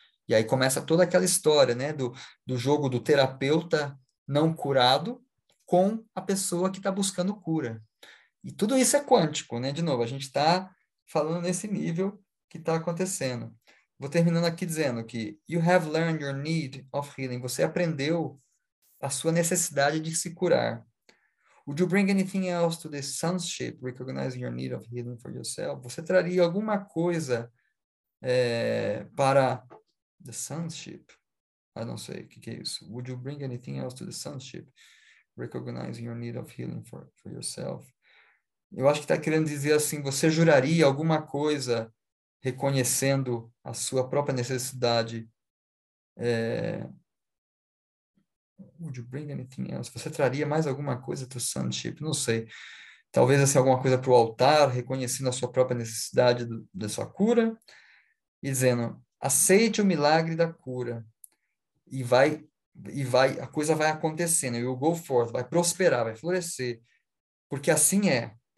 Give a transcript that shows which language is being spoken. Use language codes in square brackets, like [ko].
[pt] E aí começa toda aquela história, né? Do jogo do terapeuta não curado com a pessoa que está buscando cura. E tudo isso é quântico, né? De novo, a gente está falando nesse nível que está acontecendo. Vou terminando aqui dizendo que [en] you have learned your need of healing. [pt] Você aprendeu a sua necessidade de se curar. [en] Would you bring anything else to this sonship, recognizing your need of healing for yourself? [pt] Você traria alguma coisa para the sonship? [en] I don't say, [pt] que é isso? [en] Would you bring anything else to the sonship, recognizing your need of healing for yourself? [pt] Eu acho que está querendo dizer assim, você juraria alguma coisa reconhecendo a sua própria necessidade? [en] Would you bring anything else? [pt] Você traria mais alguma coisa para o sonship? Não sei. Talvez assim, alguma coisa para o altar, reconhecendo a sua própria necessidade da sua cura, e dizendo: aceite o milagre da cura, e vai, a coisa vai acontecendo, [en] you'll go forth, [pt] vai prosperar, vai florescer. Porque assim é.